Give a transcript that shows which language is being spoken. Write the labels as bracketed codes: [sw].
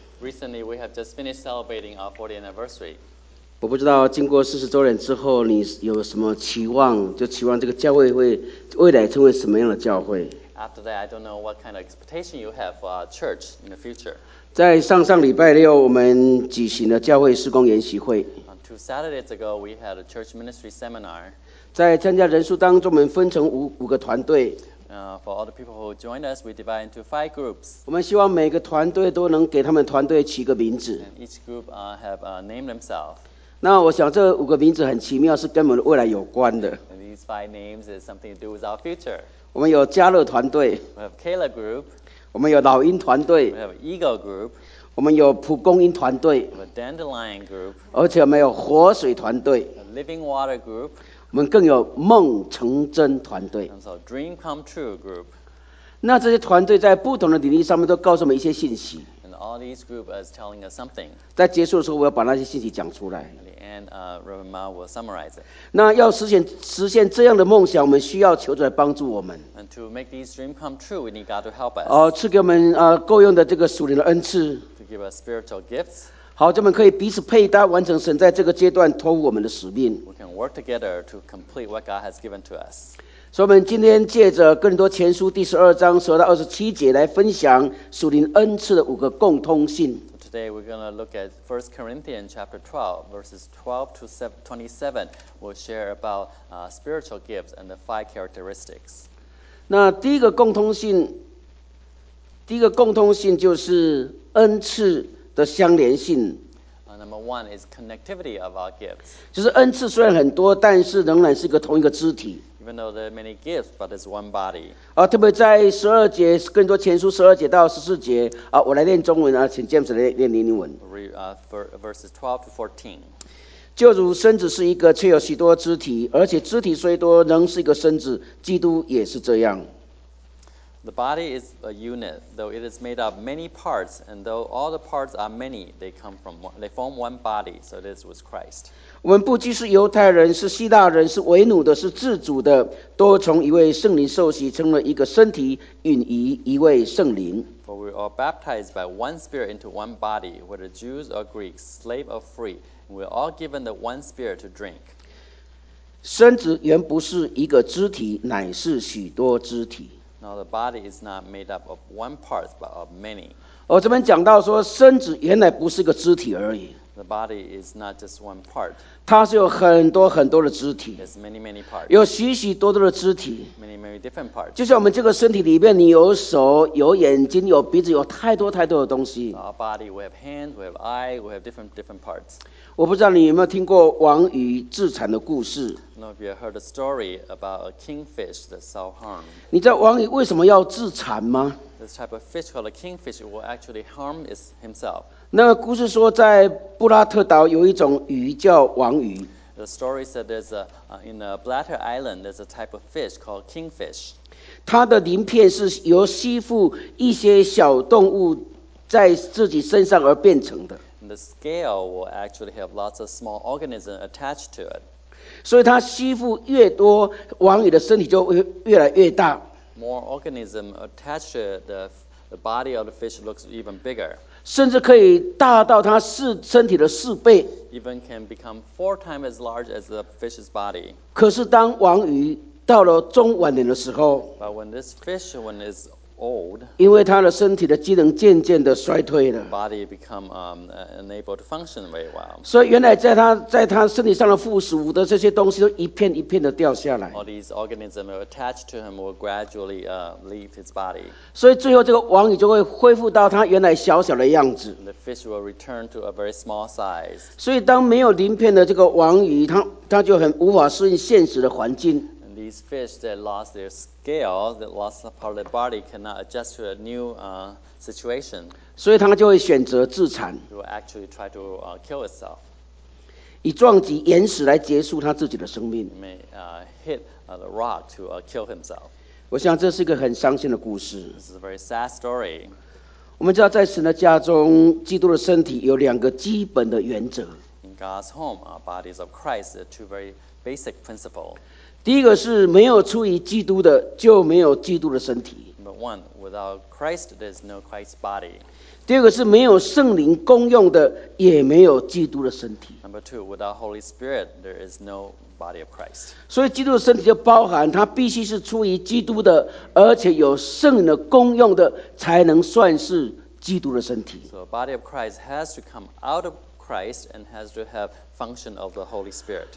[en] Recently, we have just finished celebrating our 40th anniversary. [zh] 我不知道经过40周年之后，你有什么期望？就期望这个教会会未来成为什么样的教会？ [en] After that, I don't know what kind of expectation you have for our church in the future. [zh] 在上上礼拜六，我们举行了教会事工研习会。 [en] Two Saturdays ago, we had a church ministry seminar. [zh] 在参加人数当中，我们分成五个团队。 [en] For all the people who joined us, we divide into 5 groups. [zh] 我们希望每个团队都能给他们团队起一个名字。 [en] And each group have named themselves. [zh] 那我想这五个名字很奇妙，是跟我们未来有关的。 [en] And these 5 names is something to do with our future. [zh] 我们有加勒团队。 [en] We have Caleb group. [zh] 我们有老鹰团队。 [en] We have Eagle group. [zh] 我们有蒲公英团队。 [en] We have Dandelion group. [zh] 而且我们有活水团队。 [en] A Living water group. [zh] 我们更有梦成真团队。 [en] So dream come true group. [zh] 那这些团队在不同的领域上面都告诉我们一些信息。 [en] And all these groups are telling us something. [zh] 在结束的时候，我要把那些信息讲出来。 [en] At the end, Reverend Ma will summarize it. [zh] 那要实现这样的梦想，我们需要求主来帮助我们。 [en] And to make these dream come true, we need God to help us. [zh] 赐给我们够用的这个属灵的恩赐。 [en] To give us spiritual gifts. [zh] 好，这么可以彼此配搭，完成神在这个阶段托付我们的使命。 [en] We can work together to complete what God has given to us. [zh] 所以，我们今天借着《哥林多前书》第十二章十二到二十七节来分享属灵恩赐的五个共通性。 [en] So、today we're going to look at 1 Corinthians chapter 12, verses 12 to 27. We'll share about spiritual gifts and the 5 characteristics. [zh] 那第一个共通性就是恩赐。的相连性。 [en] Number one is connectivity of our gifts. [zh] 就是恩赐虽然很多，但是仍然是个同一个肢体。 [en] Even though there are many gifts, but it's one body. [zh] 特别在十二节，更多前书十二节到十四节我来念中文请 James 来念英文。 [en] Verses 12 to 14. [zh] 就如身子是一个，却有许多肢体，而且肢体虽多，仍是一个身子。基督也是这样。 [en] The body is a unit, though it is made up of many parts, and though all the parts are many, they form one body. So it is with Christ. [zh] 我们不拘是犹太人，是希腊人，是为奴的，是自主的，都从一位圣灵受洗，成了一个身体，允于一位圣灵。 [en] For we are baptized by one spirit into one body, whether Jews or Greeks, slave or free, and we are all given the one spirit to drink. [zh] 身子原不是一个肢体，乃是许多肢体。 [en] Now the body is not made up of one part, but of many. [zh] 这边讲到说，身子原来不是个肢体而已。 [en] The body is not just one part. [zh] 它是有很多很多的肢体。 [en] There's many, many parts. [zh] 有许许多多的肢体。 [en] Many, many different parts. [zh] 就像我们这个身体里面，你有手、有眼睛、有鼻子，有太多太多的东西。 [en] Our body, we have hands, we have eyes, we have different parts. [zh] 我不知道你有没有听过王鱼自残的故事。 [en] No, have you heard a story about a kingfish that self-harm? [zh] 你知道王鱼为什么要自残吗？ [en] This type of fish called a kingfish will actually harm himself. [zh] 那个故事说，在布拉特岛有一种鱼叫王鱼。 [en] The story said there's a in the Blatter Island there's a type of fish called kingfish. [zh] 它的鳞片是由吸附一些小动物在自己身上而变成的。 [en] And the scale will actually have lots of small organisms attached to it. [zh] 所以它吸附越多，王鱼的身体就越来越大。 [en] More organism attached to the body of the fish looks even bigger. [zh] 甚至可以大到它身体的四倍。 [en] Even can become 4 times as large as the fish's body. [zh] 可是当王鱼到了中晚年的时候 [en] ，But when this fish when is old, [zh] 因为它的身体的机能渐渐的衰退了 [en] the body become unable to function very well. [zh] 所以原来在它身体上的附属的这些东西都一片一片的掉下来 [en] All these organisms attached to him will gradually leave his body. [zh] 所以最后这个王鱼就会恢复到它原来小小的样子 [en] The fish will return to a very small size. [zh] 所以当没有鳞片的这个王鱼 它就很无法适应现实的环境 [en] These fish that lost their scale, that lost a part of their body, cannot adjust to a new situation. So it will actually try to kill itself. [zh] 以撞击岩石来结束他自己的生命。 [en] May hit the rock to kill himself. [zh] 我想这是一个很伤心的故事。 [en] This is a very sad story. [zh] 我们知道在神的家中，基督的身体有两个基本的原则。 [en] In God's home, our bodies of Christ are two very basic principles. [zh] 第一个是没有出于基督的，就没有基督的身体。 [en] Number one, without Christ, there's no Christ's body. [zh] 第二个是没有圣灵供用的，也没有基督的身体。 [en] Number two, without Holy Spirit, there is no body of Christ. [zh] 所以基督的身体就包含它必须是出于基督的，而且有圣灵的供用的，才能算是基督的身体。 [en] So a body of Christ has to come out of Christ and has to have function of the Holy Spirit.